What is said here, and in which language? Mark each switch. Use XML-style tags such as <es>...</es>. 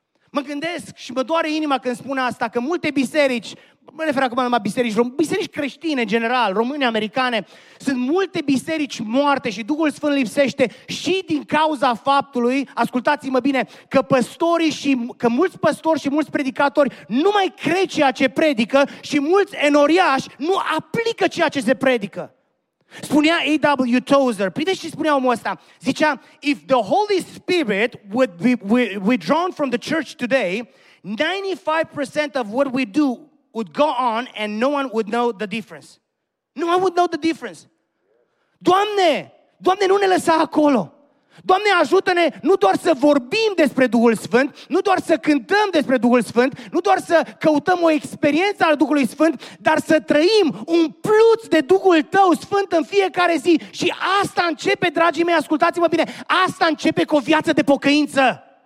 <ro>Mă gândesc și mă doare inima când spun asta, că multe biserici, mă refer acum numai biserici, biserici creștine, general, române, americane, sunt multe biserici moarte și Duhul Sfânt lipsește și din cauza faptului, ascultați-mă bine, că păstorii și, că mulți păstori și mulți predicatori nu mai cred ceea ce predică și mulți enoriași nu aplică ceea ce se predică. Spunea A.W.</ro> <en>Tozer,</en> <ro>priteți ce spunea omul ăsta, zicea,</ro> <en>if the Holy Spirit would be withdrawn from the church today, 95% of what we do would go on and no one would know the difference. No one would know the difference.</en> <ro>Doamne, Doamne, nu ne lăsa acolo. Doamne, ajută-ne nu doar să vorbim despre Duhul Sfânt, nu doar să cântăm despre Duhul Sfânt, nu doar să căutăm o experiență al Duhului Sfânt, dar să trăim umpluți de Duhul Tău Sfânt în fiecare zi. Și asta începe, dragii mei, ascultați-mă bine, asta începe cu o viață de pocăință.</ro>